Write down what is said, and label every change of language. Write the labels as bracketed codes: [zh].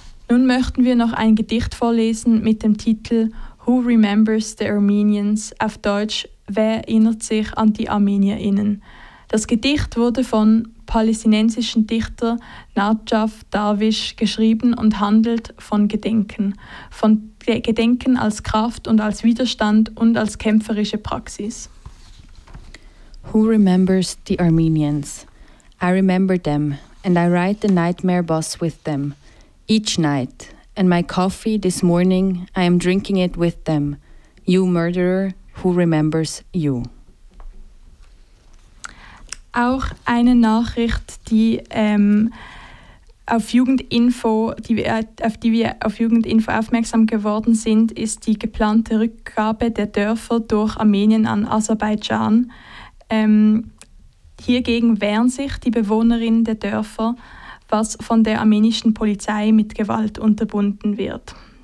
[de] Nun möchten wir noch ein Gedicht vorlesen mit dem Titel [en] «Who remembers the Armenians?», [de] auf Deutsch «Wer erinnert sich an die ArmenierInnen?». Das Gedicht wurde von palästinensischen Dichter Najaf Darwish geschrieben und handelt von Gedenken. Von Gedenken als Kraft und als Widerstand und als kämpferische Praxis. [en] Who remembers the Armenians? I remember them and I ride the nightmare bus with them. Each night, and my coffee this morning, I am drinking it with them. You murderer, who remembers you? [de] Auch eine Nachricht, die auf Jugendinfo, auf Jugendinfo aufmerksam geworden sind, ist die geplante Rückgabe der Dörfer durch Armenien an Aserbaidschan. Hiergegen wehren sich die Bewohnerinnen der Dörfer, was von der armenischen Polizei mit Gewalt unterbunden wird.